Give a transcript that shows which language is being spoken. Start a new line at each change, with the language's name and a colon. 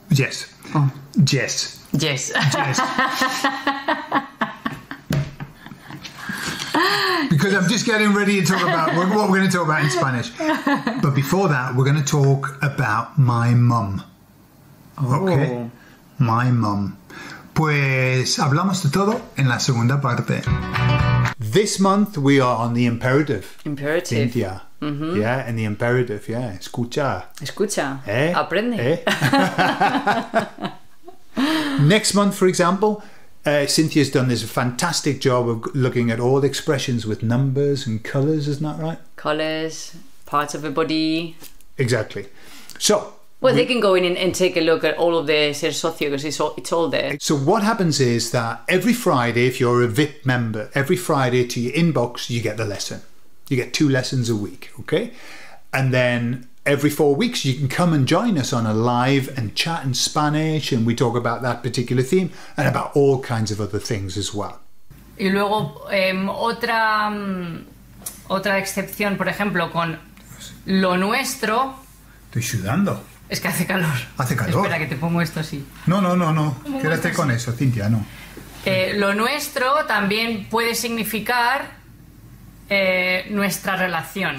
English: Yes. Yes. Yes. Yes. Because I'm just getting ready to talk about what we're going to talk about in Spanish. But before that, we're going to talk about my mum. Oh. Okay? My mum.
Spanish: Pues hablamos de todo en la segunda parte.
English: This month, we are on the imperative. Imperative. Cynthia. Mm-hmm. Yeah, in the imperative, yeah.
Spanish: Escucha. Escucha. ¿Eh? Aprende.
English: ¿Eh? Next month, for example... Cynthia's done this fantastic job of looking at all expressions with numbers and colours, isn't that right? Colours, parts of a body. Exactly. So. Well, they can go in and take a look at all of the ser socio because it's all there. So what happens is that every Friday, if you're a VIP member, every Friday to your inbox, you get the lesson. You get 2 lessons a week, okay? And then every 4 weeks, you can come and join us on a live and chat in Spanish, and we talk about that particular theme and about all kinds of other things as well.
Spanish: Y luego otra excepción, por ejemplo, con lo nuestro. Estoy sudando. Es que hace calor. Hace calor. Espera que te pongo esto así. No. Quédate con eso, Cynthia. No. Lo nuestro también puede significar nuestra relación.